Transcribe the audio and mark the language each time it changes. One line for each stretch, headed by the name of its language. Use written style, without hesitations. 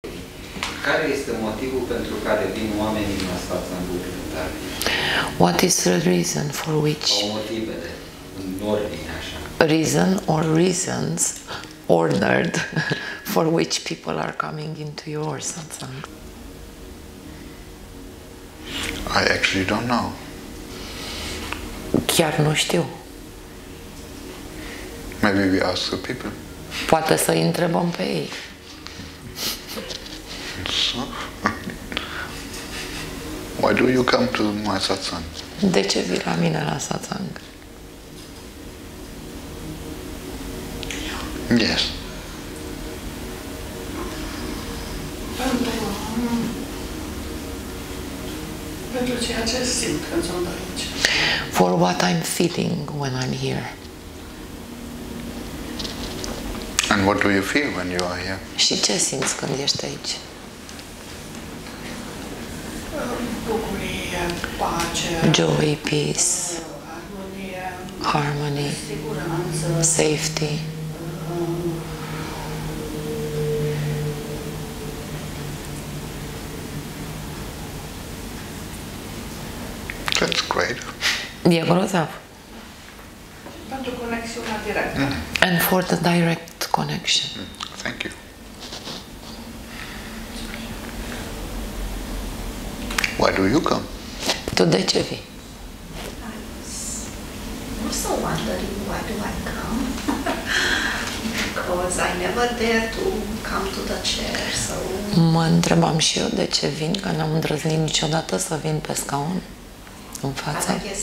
Romanian: Care este motivul pentru care vin oamenii în asta în grup voluntar?
English: What is the reason for which?
Romanian: Motivele, în ordine așa.
English: Reason or reasons ordered for which people are coming into your satsang? I actually don't know.
Romanian: Chiar nu știu.
English: Maybe we ask the people.
Romanian: Poate să îi întrebăm pe ei.
English: So, why do you come to my satsang?
Romanian: De ce vii la mine la satsang?
English: Yes. For what I'm feeling when I'm here. And what do you feel when you are here?
Romanian: Și ce simți când ești aici? Bucurie, pace,
English: joy, peace, harmony, safety. That's great.
Romanian: E grozav. Pentru conexiunea directă.
English: And for the direct connection. Thank you. Why do you come?
Romanian: Tu de ce vii?
English: I'm also wondering why do I come? Because I never dare to come to the chair, so...
Romanian: Mă întrebam și eu de ce vin, că n-am îndrăznit niciodată să vin pe scaun. În față.